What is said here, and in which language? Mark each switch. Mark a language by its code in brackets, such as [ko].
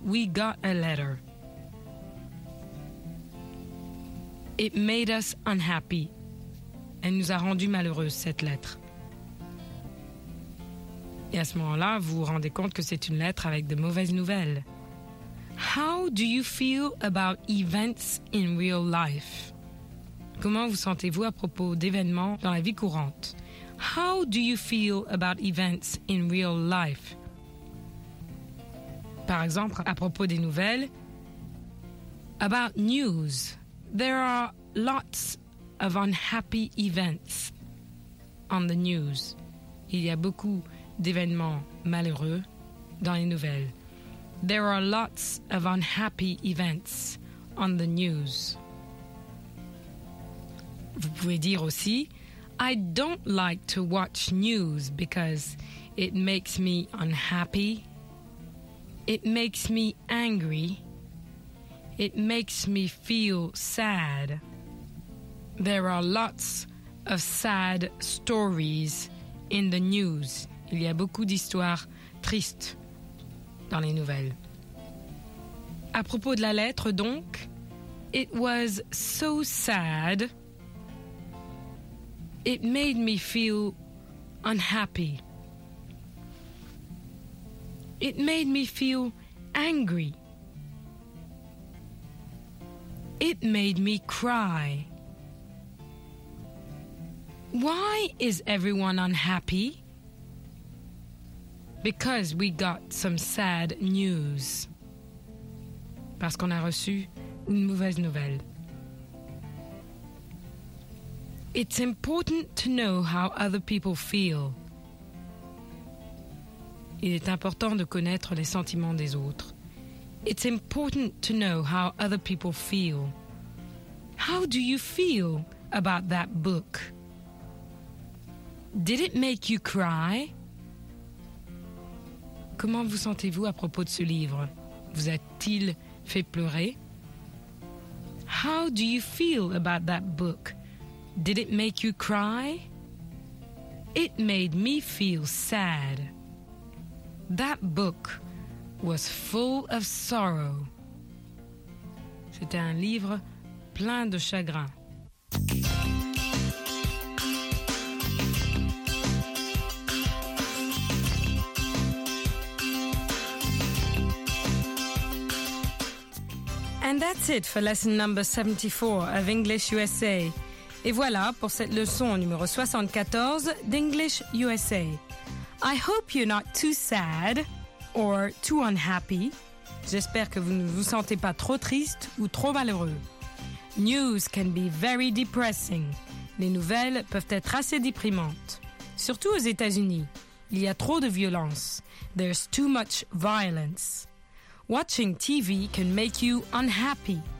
[en] « We got a letter. » It made us unhappy. [fr] Elle nous a rendu malheureuse, cette lettre. Et à ce moment-là, vous vous rendez compte que c'est une lettre avec de mauvaises nouvelles. [en] How do you feel about events in real life? [fr] Comment vous sentez-vous à propos d'événements dans la vie courante? [en] How do you feel about events in real life? [fr] Par exemple, à propos des nouvelles, [en] about news. There are lots of unhappy events on the news. [fr] Il y a beaucoup d'événements malheureux dans les nouvelles. [en] There are lots of unhappy events on the news. [fr] Vous pouvez dire aussi, [en] I don't like to watch news because it makes me unhappy. It makes me angry. It makes me feel sad. There are lots of sad stories in the news. [fr] Il y a beaucoup d'histoires tristes dans les nouvelles. À propos de la lettre, donc, [en] it was so sad. It made me feel unhappy. It made me feel angry. It made me cry. Why is everyone unhappy? Because we got some sad news. [fr] Parce qu'on a reçu une mauvaise nouvelle. [en] It's important to know how other people feel. [fr] Il est important de connaître les sentiments des autres. [en] It's important to know how other people feel. How do you feel about that book? Did it make you cry? [fr] Comment vous sentez-vous à propos de ce livre? Vous a-t-il fait pleurer? [en] How do you feel about that book? Did it make you cry? It made me feel sad. That book was full of sorrow. [fr] C'était un livre plein de chagrin. [en] And that's it for lesson number 74 of English USA. [fr] Et voilà pour cette leçon numéro 74 d'English USA. [en] I hope you're not too sad or too unhappy. [fr] J'espère que vous ne vous sentez pas trop triste ou trop malheureux. [en] News can be very depressing. [fr] Les nouvelles peuvent être assez déprimantes. Surtout aux États-Unis. Il y a trop de violence. [en] There's too much violence. Watching TV can make you unhappy.